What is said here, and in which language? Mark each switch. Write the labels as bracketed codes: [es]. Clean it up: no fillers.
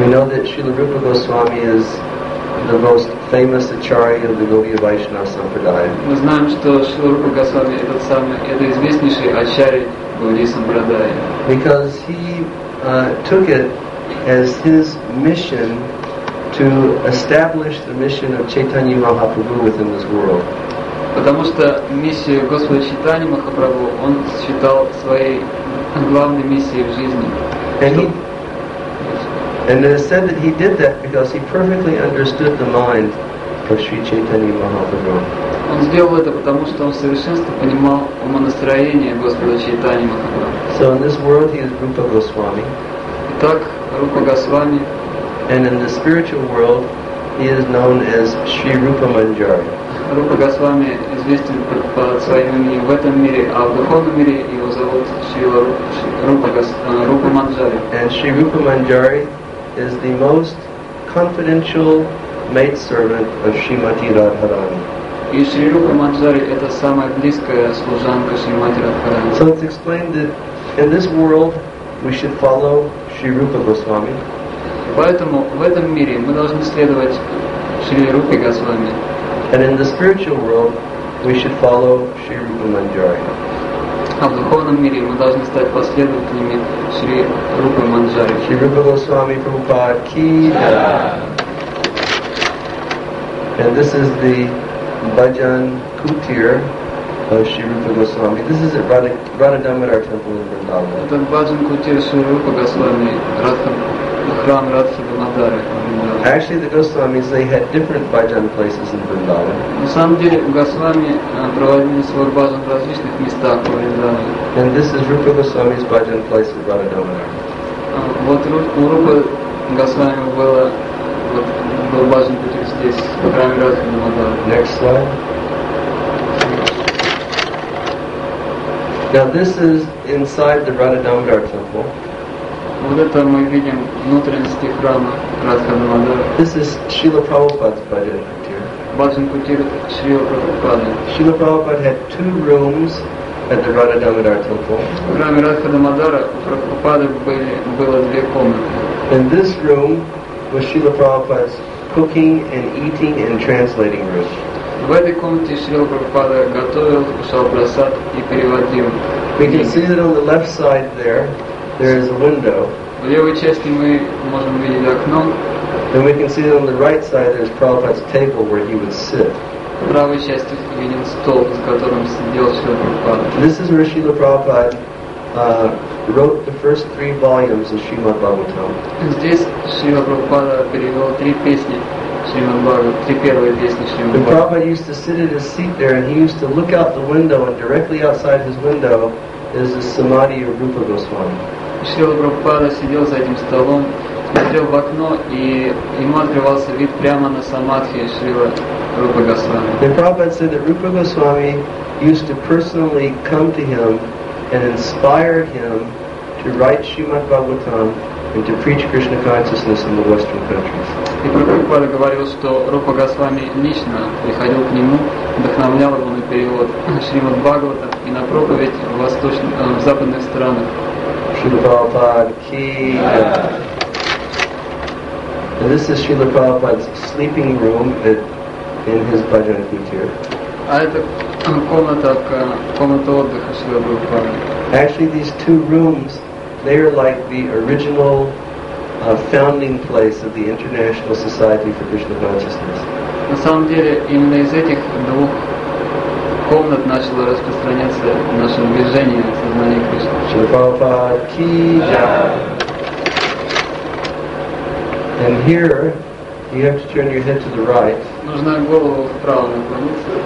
[en] We know that Srila Rupa Goswami is the most famous acharya of the Gaudiya Vaishnava Sampradaya. [ru] Мы знаем, что Шрила Рупа Госвами это известнейший ачарья Гаудии Сампрадая. [en] Because he took it as his mission to establish the mission of Chaitanya Mahaprabhu within this world. [ru] Потому что миссию Господа Чайтаньи Махапрабху он считал своей главной миссией в жизни. [en] And it is said that he did that because he perfectly understood the mind of Sri Chaitanya Mahaprabhu. [ru] Он сделал это потому, что он совершенно понимал умонастроение Господа Чайтаньи Махапрабху. [en] So in this world he is Rupa Goswami. [ru] Итак, Рупа Госвами. [en] And in the spiritual world he is known as Sri Rupa Manjari. [ru] Рупа Госвами известен под своим именем в этом мире, а в духовном мире его зовут Шрила Рупа Манджари. [en] And Sri Rupa Manjari is the most confidential maidservant of Srimati Radharani. [ru] И Шри Рупа Манджари это самая близкая служанка Шримати Радхарани. [en] So it's explained that in this world we should follow Sri Rupa Goswami. [ru] Поэтому в этом мире мы должны следовать Шри Рупе Госвами. [en] And in the spiritual world we should follow Шри Рупа Манджари. [ru] А в духовном мире мы должны стать последователями Шри Рупы Манджари. [hi] Шри Рупа Госвами Прабхупада Ки Джай. [en] And this is the Bhajan Kutir of Shri Rupa Goswami. This is at Radhadamodar Temple in Vrindavan. [ru] Это Bhajan Kutir Shri Rupa Goswami, храм Радхадамодары. [en] Actually, the Goswamis, they had different bhajan places in Vrindavan. [ru] На самом деле, Госвами проводили свой бхаджан в различных местах в Вриндаване. [en] And this is Rupa Goswami's bhajan place at Radhadamodar. [ru] Вот у Рупы Госвами был бхаджан кутир здесь, в храме Радхадамодары. [en] Next slide. Now this is inside the Radhadamodar temple. [ru] Вот это мы видим внутренности храма Радхадамодары. [en] This is Srila Prabhupada's bhajan kutir. [ru] Бхаджанку Шрила Прабхупады. [en] Шрила Прабхупада had two rooms at the Радха-Дамодар temple. [ru] В храме Радха-Дамодара у Прабхупады было две комнаты. [en] And this room was Шрила Прабхупада's cooking and eating and translating room. [ru] В этой комнате Шрила Прабхупада готовил, кушал прасад и переводил. [en] We can see that on the left side there, there is a window. [ru] В левой части мы можем видеть окно. [en] And we can see that on the right side there's Prabhupada's table where he would sit. [ru] В правой части видим стол, за которым сидел Шрила Прабхупада. [en] This is where Шрила Прабхупада wrote the first three volumes of Srimad Bhagavatam. [ru] Здесь Шрила Прабхупада перевел три песни. [en] The Prabhupada used to sit in his seat there, and he used to look out the window, and directly outside his window is the Samadhi of Rupa Goswami. [ru] Шрила Прабхупада сидел за этим столом, смотрел в окно, и ему открывался вид прямо на Самадхи Шрила Рупа Госвами. [en] The Prabhupada said that Rupa Goswami used to personally come to him and inspire him to write Srimad Bhagavatam and to preach Krishna consciousness in the Western countries. [ru] И Прабхупада говорил, что Рупа Госвами лично приходил к нему, вдохновлял его на перевод Шримад Бхагавата и на проповедь в восточных, в западных странах. [en] Шрила Прабхупада ки. And this is Шрила Прабхупада's sleeping room in his bhajan kutir. [ru] А это комната отдыха Шрила Прабхупада. [en] Actually, these two rooms, they are like the original founding place of the International Society for Krishna Consciousness. [ru] На самом деле, именно из этих двух комнат начало распространяться наше движение сознания Кришны. [hi] Шрила Прабхупада ки джай. [en] And here, you have to turn your head to the right. [ru] Нужно голову вправо наклониться.